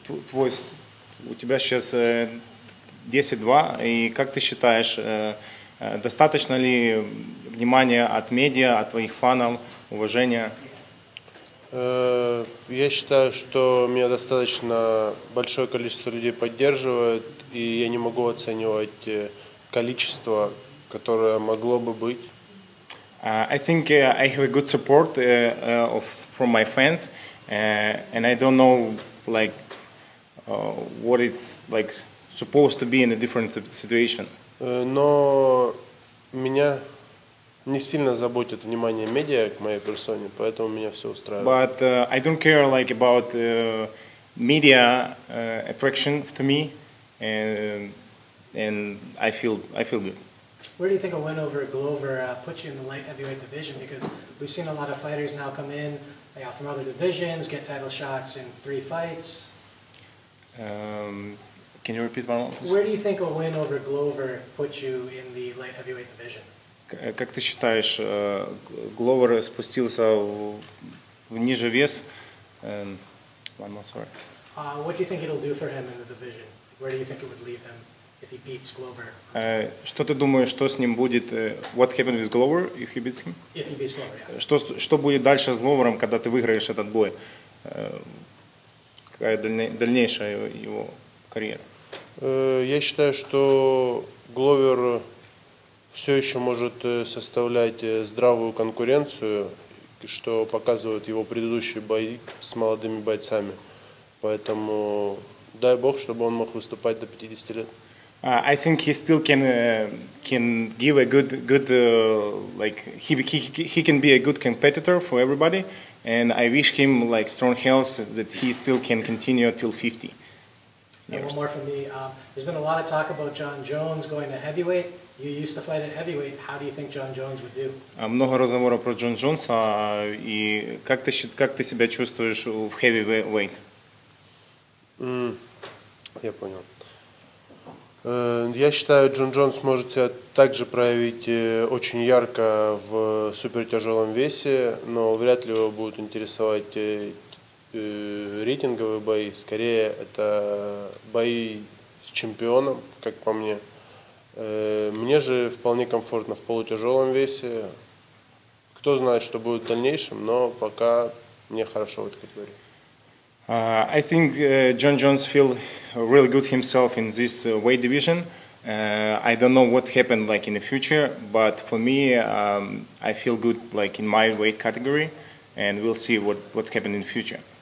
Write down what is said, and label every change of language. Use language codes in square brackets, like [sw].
[ru] Твой, у тебя сейчас 10-2, и как ты считаешь, достаточно ли внимания от медиа, от твоих фанов, уважения? Я считаю, что меня достаточно большое количество людей поддерживает, и я не могу оценивать количество, которое могло бы быть. [en] I think I have a good support from my fans, and I don't know like what it's like supposed to be in a different situation. [ru] Но меня не сильно заботит внимание медиа к моей персоне, поэтому меня все устраивает. [en] But I don't care like about media attraction to me, and I feel good. Where do you think a win over Glover puts you in the light heavyweight division? Because we've seen a lot of fighters now come in from other divisions, get title shots in three fights. Can you repeat one more? Where do you think a win over Glover puts you in the light heavyweight division? [ru] Как ты считаешь, Гловер спустился в ниже вес? [en] One more, sorry. What do you think it'll do for him in the division? Where do you think it would leave him if he beats Glover? [ru] Что ты думаешь, что с ним будет? [en] What happened with Glover if he beats him? If he beats Glover, yeah. [ru] Что будет дальше с Гловером, когда ты выиграешь этот бой? Какая дальнейшая его карьера? Я считаю, что Гловер все еще может составлять здравую конкуренцию, что показывают его предыдущие бои с молодыми бойцами. Поэтому дай бог, чтобы он мог выступать до 50 лет. [en] I think he still can give a good like he can be a good competitor for everybody, and I wish him like strong health that he still can continue till 50. And one more from me. There's been a lot of talk about John Jones going to heavyweight. You used to fight at heavyweight. How do you think John Jones would do? [ru] Много разговоров про Джон Джонса. И как ты себя чувствуешь в heavyweight? Я понял. Я считаю, Джон Джонс может себя также проявить очень ярко в супертяжелом весе, но вряд ли его будут интересовать рейтинговые бои, скорее это бои с чемпионом, как по мне. Мне же вполне комфортно в полутяжелом весе. Кто знает, что будет в дальнейшем, но пока мне хорошо в этой категории. [en] I think John Jones feel really good himself in this weight division. I don't know what happened like in the future, but for me I feel good like in my weight category, and we'll see what happened in the future.